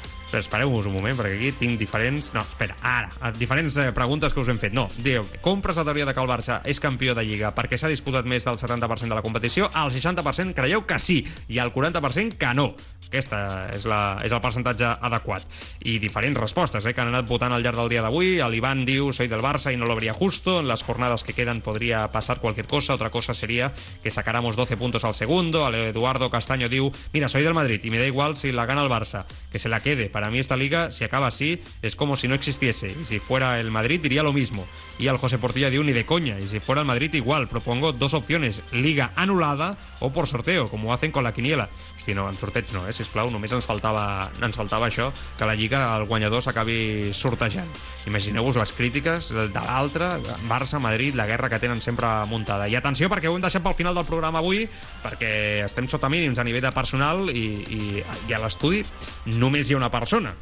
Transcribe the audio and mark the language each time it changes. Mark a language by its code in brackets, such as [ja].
[ca] Espereu-vos un moment, perquè aquí tinc diferents... No, espera, ara, diferents preguntes que us hem fet. No, diu, compres la teoria de que el Barça és campió de Lliga perquè s'ha disputat més del 70% de la competició? El 60% creieu que sí, i el 40% que no. Aquesta és el percentatge adequat. I diferents respostes, que han anat votant al llarg del dia d'avui. L'Ivan diu, [es] soy del Barça y no lo vería justo. [ca] En les jornades que queden podria passar [es] cualquier cosa. Otra cosa seria que sacáramos 12 puntos al segundo. El Eduardo Castaño diu, mira, soy del Madrid y me da igual si la gana el Barça, que se la quede, Para mí esta liga, si acaba así, es como si no existiese. Y si fuera el Madrid, diría lo mismo. Y al José Portilla de un ni de coña. Y si fuera el Madrid, igual. Propongo dos opciones. Liga anulada o por sorteo, como hacen con la quiniela. [ca] Hosti, no, en sorteig no, sisplau. Només ens faltava això, que la Lliga, el guanyador, s'acabi sortejant. Imagineu-vos les crítiques de l'altre, Barça-Madrid, la guerra que tenen sempre muntada. I atenció, perquè ho hem deixat pel final del programa avui, perquè estem sota mínims a nivell de personal i a l'estudi només hi ha una persona.